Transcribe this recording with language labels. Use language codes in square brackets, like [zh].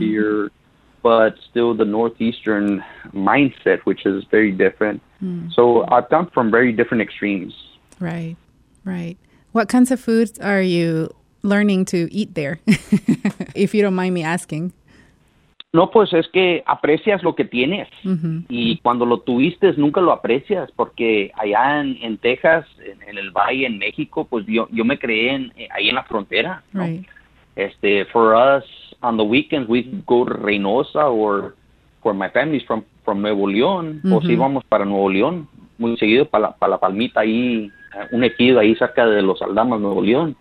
[en] here, but still the Northeastern mindset, which is very different. Mm-hmm. So I've come from very different extremes. Right, right. What kinds of foods are you learning to eat there, if you don't mind me asking? [es] No, pues es que aprecias lo que tienes. Mm-hmm. Y cuando lo tuviste, nunca lo aprecias. Porque allá en Texas, en el Valle, en México, pues yo me creé ahí en la frontera. [en] Right. [es] ¿No? [en] For us, on the weekends, we go to Reynosa or where my family's from Nuevo León. [es] Mm-hmm. Pues íbamos para Nuevo León. Muy seguido para la Palmita ahí, un ejido ahí cerca de los Aldamas, Nuevo León.